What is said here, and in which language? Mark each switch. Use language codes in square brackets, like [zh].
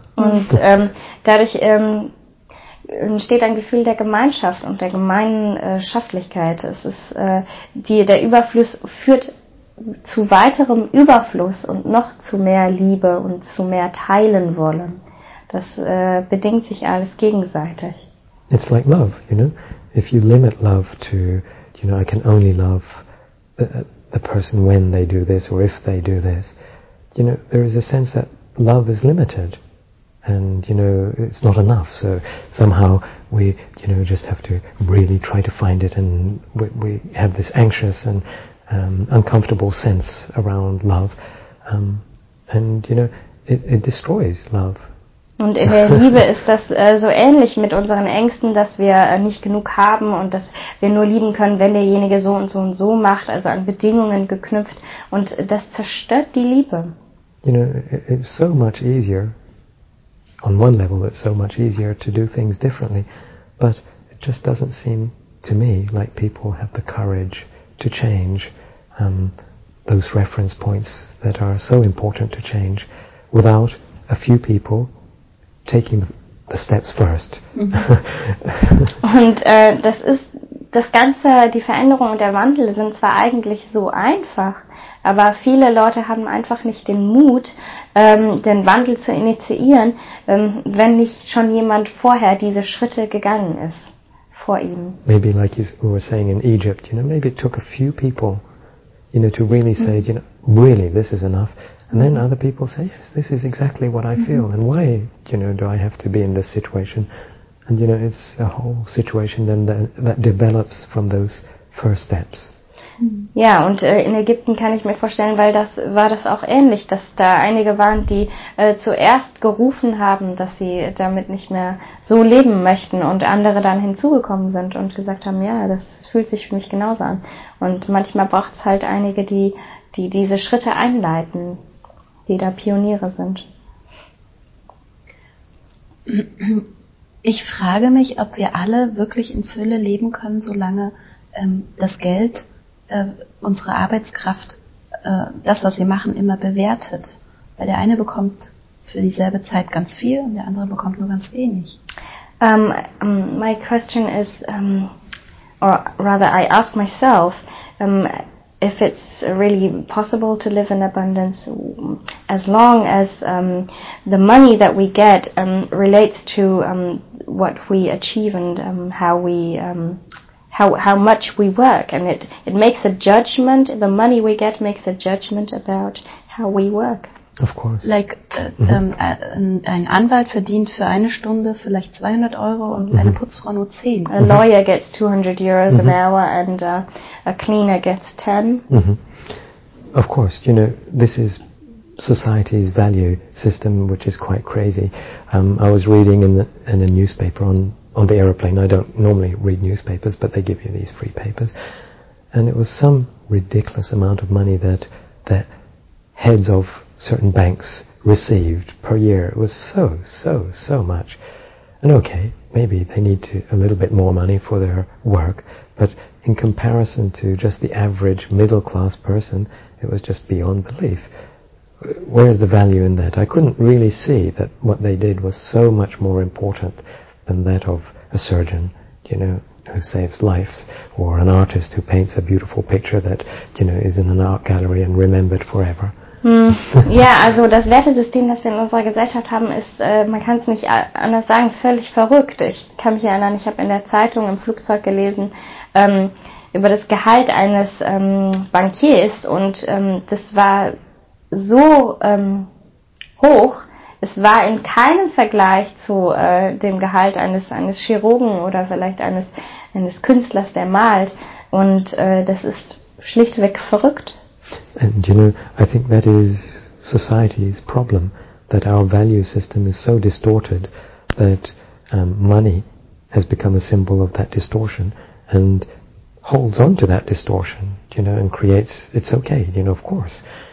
[de] Und dadurch entsteht ein Gefühl der Gemeinschaft und der Gemeinschaftlichkeit. Es ist der Überfluss führt zu weiterem Überfluss und noch zu mehr Liebe und zu mehr Teilen wollen. Das bedingt sich alles gegenseitig. [en] It's like love, you know. If you limit love to, you know, I can only love the person when they do this or if they do this, you know, there is a sense that love is limited, and you know, it's not enough. So somehow we, you know, just have to really try to find it, and we have this anxious and uncomfortable sense around love. And it destroys love. [de] Und in der Liebe ist das so ähnlich mit unseren Ängsten, dass wir nicht genug haben und dass wir nur lieben können, wenn derjenige so und so und so macht, also an Bedingungen geknüpft. Und das zerstört die Liebe. [en] You know, it's so much easier, on one level it's so much easier to do things differently, but it just doesn't seem to me like people have the courage to change those reference points that are so important to change without a few people taking the steps first. [de] Und die Veränderung und der Wandel sind zwar eigentlich so einfach, aber viele Leute haben einfach nicht den Mut, den Wandel zu initiieren, wenn nicht schon jemand vorher diese Schritte gegangen ist, vor ihm. [en] Maybe like you were saying in Egypt, you know, maybe it took a few people, you know, to really say, you know, really, this is enough. And then other people say, yes, this is exactly what I feel. And why, you know, do I have to be in this situation? And, you know, it's a whole situation then that develops from those first steps. [de] Ja, und in Ägypten kann ich mir vorstellen, weil das war das auch ähnlich, dass da einige waren, die zuerst gerufen haben, dass sie damit nicht mehr so leben möchten und andere dann hinzugekommen sind und gesagt haben, ja, das fühlt sich für mich genauso an. Und manchmal braucht es halt einige, die diese Schritte einleiten, die da Pioniere sind. Ich frage mich, ob wir alle wirklich in Fülle leben können, solange das Geld unsere Arbeitskraft, das, was wir machen, immer bewertet. Weil der eine bekommt für dieselbe Zeit ganz viel und der andere bekommt nur ganz wenig. [en] My question is, or rather I ask myself, if it's really possible to live in abundance as long as the money that we get relates to what we achieve and how we... How much we work, and it makes a judgment. The money we get makes a judgment about how we work. Of course. [de] Like ein Anwalt verdient für eine Stunde vielleicht 200 Euro und eine Putzfrau nur 10. [en] A lawyer gets 200 euros an hour, and a cleaner gets 10. Of course, you know, this is society's value system, which is quite crazy. I was reading in a newspaper on the aeroplane. I don't normally read newspapers, but they give you these free papers. And it was some ridiculous amount of money that heads of certain banks received per year. It was so, so, so much. And okay, maybe they need a little bit more money for their work, but in comparison to just the average middle-class person, it was just beyond belief. Where is the value in that? I couldn't really see that what they did was so much more important than that of a surgeon, you know, who saves lives, or an artist who paints a beautiful picture that, you know, is in an art gallery and remembered forever. [de] Ja, also das Wertesystem, das wir in unserer Gesellschaft haben, ist, man kann es nicht anders sagen, völlig verrückt. Ich kann mich erinnern, ich habe in der Zeitung im Flugzeug gelesen, über das Gehalt eines Bankiers, und das war so hoch. Es war in keinem Vergleich zu dem Gehalt eines Chirurgen oder vielleicht eines Künstlers, der malt. Und das ist schlichtweg verrückt. [en] And you know, I think that is society's problem, that our value system is so distorted that money has become a symbol of that distortion and holds on to that distortion, you know, and creates, it's okay, you know, of course.